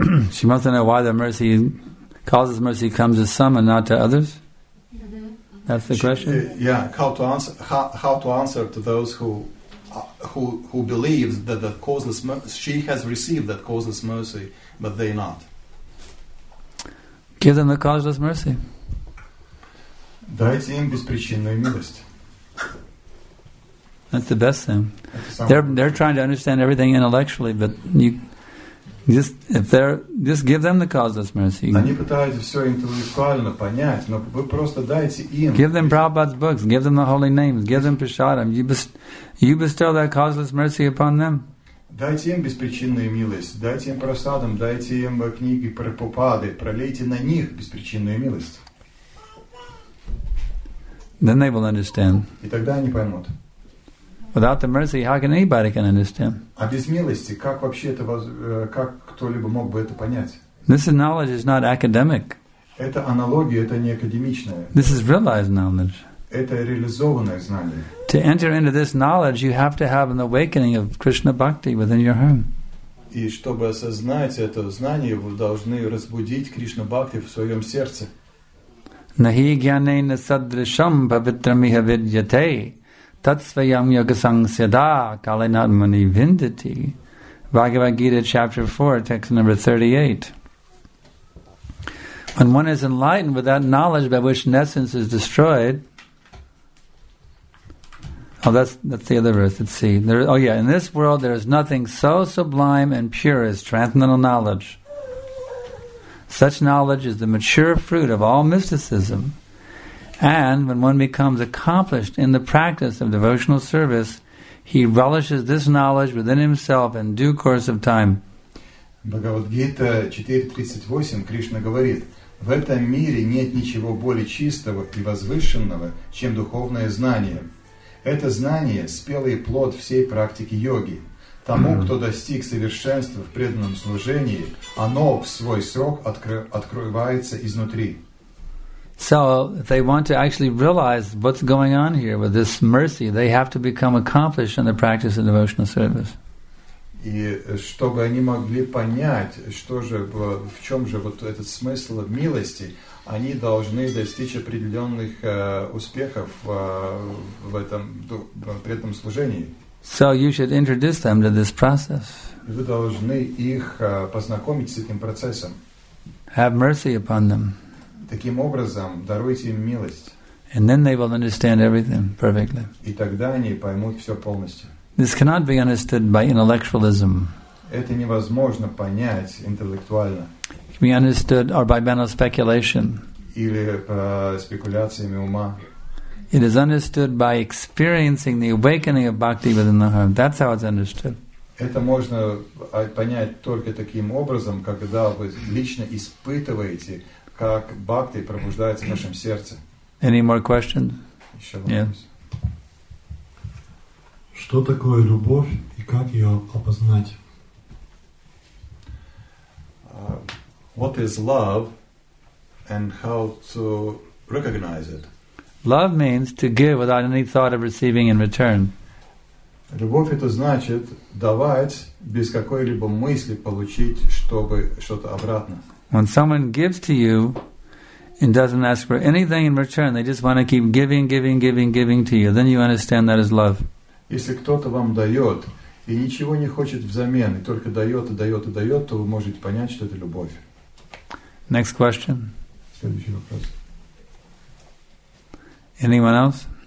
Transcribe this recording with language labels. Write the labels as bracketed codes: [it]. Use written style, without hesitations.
[en] She must know why the mercy is causes mercy comes to some and not to others. That's the question. How to answer to those who believe that the causeless she has received that causeless mercy, but they not. Give them the causeless mercy. [ru] Дайте им беспричинную милость. [en] That's the best thing. They're trying to understand everything intellectually, but you. Just give them the causeless mercy. [ru] Они пытаются все интеллектуально понять, но вы просто дайте им. [en] Give them Prabhupada's books, give them the holy names, give them Prasadam. You bestow that causeless mercy upon them. [ru] Дайте им беспричинную милость, дайте им Прасадам, дайте им книги Прабхупады, пролейте на них беспричинную милость. [en] Then they will understand. [ru] И тогда они поймут. [en] Without the mercy, how can anybody can understand? [ru] А без милости как вообще это как кто-либо мог бы это понять? [en] This knowledge is not academic. [ru] Это аналогия, это не академичная. [en] This is realized knowledge. [ru] Это реализованное знание. [en] To enter into this knowledge, you have to have an awakening of Krishna bhakti within your home. [ru] И чтобы осознать это знание, вы должны разбудить Кришна бхакти в своем сердце. [sa] Nahi gyanena sadrisham pavitramiha vidyate. Tatsvayam Yogasang Siddha Kalinat Muni Vindati [en] Bhagavad Gita chapter 4 text number 38. When one is enlightened with that knowledge by which nescience is destroyed. Oh, that's the other verse. Let's see. In this world there is nothing so sublime and pure as transcendental knowledge. Such knowledge is the mature fruit of all mysticism. And when one becomes accomplished in the practice of devotional service, he relishes this knowledge within himself in due course of time. [ru] Бхагавад-гита 4.38 Кришна говорит, в этом мире нет ничего более чистого и возвышенного, чем духовное знание. Это знание – спелый плод всей практики йоги. Тому, кто достиг совершенства в преданном служении, оно в свой срок открывается изнутри. [en] So, if they want to actually realize what's going on here with this mercy, they have to become accomplished in the practice of devotional service. [ru] И чтобы они могли понять, что же в чем же вот этот смысл милости, они должны достичь определенных успехов в этом преданном служении. [en] So you should introduce them to this process. [ru] Вы должны их познакомить с этим процессом. [en] Have mercy upon them. [ru] Таким образом, даруйте им милость. [en] And then they will understand everything perfectly. [ru] И тогда они поймут все полностью. [en] This cannot be understood by intellectualism. [ru] Это невозможно понять интеллектуально. [en] Be understood or by mental speculation. [ru] Или спекуляциями ума. [en] It is understood by experiencing the awakening of bhakti within the heart. That's how it's understood. [ru] Это можно понять только таким образом, когда вы лично испытываете, как бхакти пробуждается в вашем сердце. [en] Any more questions? [ru] Еще вопрос. [en] Yeah. [ru] Что такое любовь и как ее опознать? [en] What is love and how to recognize it? Love means to give without any thought of receiving in return. [ru] Любовь — это значит давать без какой-либо мысли получить, чтобы что-то обратно. [en] When someone gives to you and doesn't ask for anything in return, they just want to keep giving, giving, giving, giving to you, then you understand that is love. [ru] Если кто-то вам дает и ничего не хочет взамен, и только дает, и дает, и дает, то вы можете понять, что это любовь. [en] Next question. [ru] Следующий вопрос. [en] Anyone else?